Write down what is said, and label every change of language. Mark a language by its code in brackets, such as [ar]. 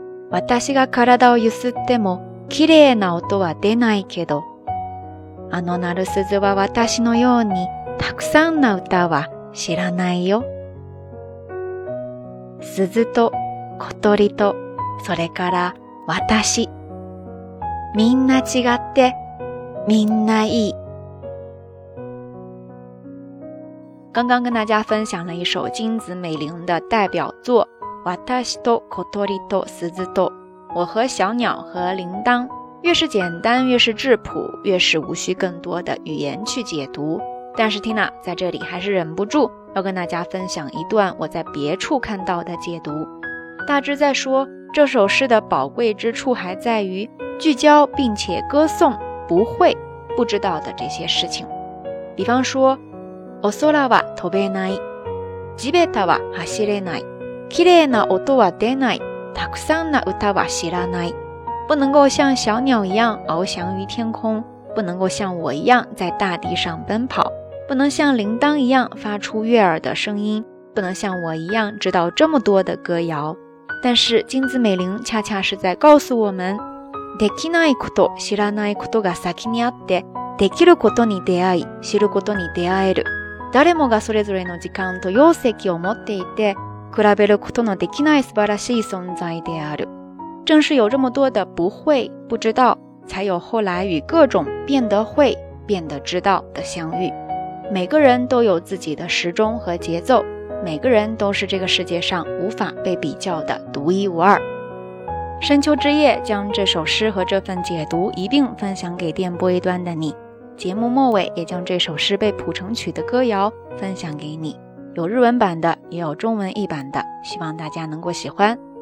[ja] 私が体をゆすってもきれいな音は出ないけど、あの鳴る鈴は私のようにたくさんな歌は知らないよ。鈴と小鳥とそれから私、みんな違ってみんないい。 [zh] 刚刚跟大家分享了一首金子美玲的代表作《私と小鳥と鈴と》，我和小鸟和铃铛。越是简单，越是质朴，越是无需更多的语言去解读。但是 Tina 在这里还是忍不住要跟大家分享一段我在别处看到的解读。大致在说，这首诗的宝贵之处还在于聚焦并且歌颂不会不知道的这些事情。比方说， [ja] お空は飛べない、地べたは走れない、きれいな音は出ない、たくさんな歌は知らない。 [zh] 不能够像小鸟一样翱翔于天空，不能够像我一样在大地上奔跑，不能像铃铛一样发出悦耳的声音，不能像我一样知道这么多的歌谣。但是金子美玲恰恰是在告诉我们， [ja] できないこと知らないことが先にあって、できることに出会い知ることに出会える。誰もがそれぞれの時間と容積を持っていて、比べることのできない素晴らしい存在である。 [zh] 正是有这么多的不会不知道，才有后来与各种变得会变得知道的相遇。每个人都有自己的时钟和节奏，每个人都是这个世界上无法被比较的独一无二。深秋之夜，将这首诗和这份解读一并分享给电波一端的你，节目末尾也将这首诗被谱成曲的歌谣分享给你，有日文版的也有中文译版的，希望大家能够喜欢。